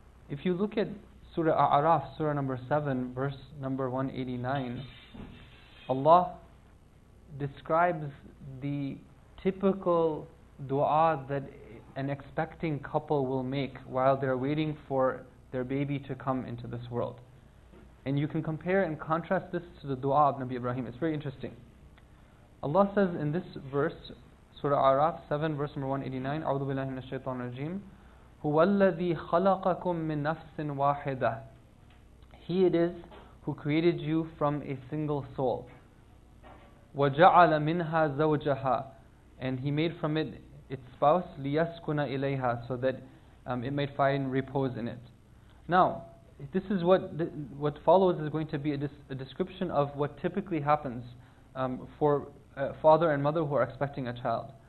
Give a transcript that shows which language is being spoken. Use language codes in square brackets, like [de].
[en] If you look at Surah A'raf, Surah number 7, verse number 189, Allah describes the typical dua that an expecting couple will make while they're waiting for their baby to come into this world. And you can compare and contrast this to the dua of Nabi Ibrahim. It's very interesting. Allah says in this verse, Surah A'raf 7, verse number 189, [ar] أعوذ بالله من الشيطان الرجيم, هُوَ الَّذِي خَلَقَكُم مِّن نَفْسٍ وَاحِدَةٍ. [en] He it is who created you from a single soul. [ar] وَجَعَلَ مِنْهَا زَوْجَهَا. [en] And He made from it its spouse, [ar] لِيَسْكُنَ إِلَيْهَا, [en] so that it might find repose in it. Now, this is what follows is going to be a description of what typically happens for a father and mother who are expecting a child.